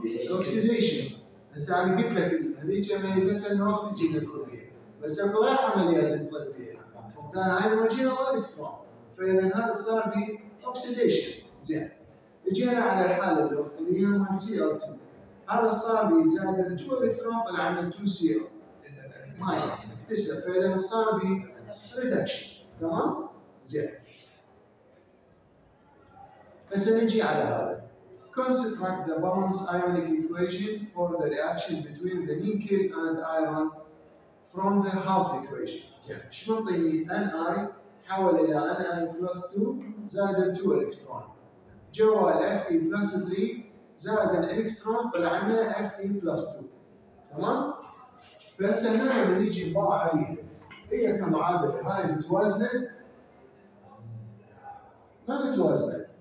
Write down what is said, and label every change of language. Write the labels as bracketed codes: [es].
[ar] اوكسيديشن هسه انا قلت لك هذيك ميزتها انه اوكسجين يدخل بيها بس اكو غير عمليات تصير بيها فقدان هيدروجين او الكترون فاذا هذا صار بي اوكسيديشن. زين اجينا على الحاله الاخرى اللي هي مال سي او 2 هذا صار بي زائد 2 الكترون طلع عندنا 2 سي او ما يكتسب فاذا صار بي ريدكشن. تمام زين هسه نجي على هذا [en] construct the balance ionic equation for the reaction between the nickel and iron from the half equation. [ar] ايش معطيني ni تحول الى ni plus 2 زائد 2 الكترون جوا Fe plus 3 زائد الالكترون طلع عندنا Fe plus 2. تمام فهسه هنا بنيجي نطبع عليها هي كمعادله هاي متوازنه ما متوازنة.